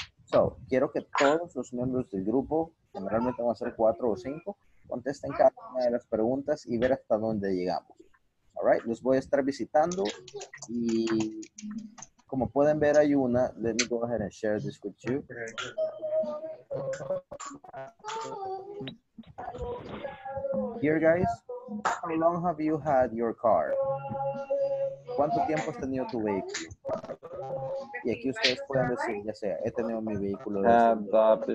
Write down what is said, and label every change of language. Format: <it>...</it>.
<es>So, quiero que todos los miembros del grupo, generalmente van a ser 4 o 5, contesten cada una de las preguntas y ver hasta dónde llegamos.</es> <en>All right,</en> <es>los voy a estar visitando y... Como pueden ver, hay una.</es> <en>Let me go ahead and share this with you. Here, guys, how long have you had your car?</en> <es>¿Cuánto tiempo has tenido tu vehículo? Y aquí ustedes pueden decir, ya sea, he tenido mi vehículo desde</es>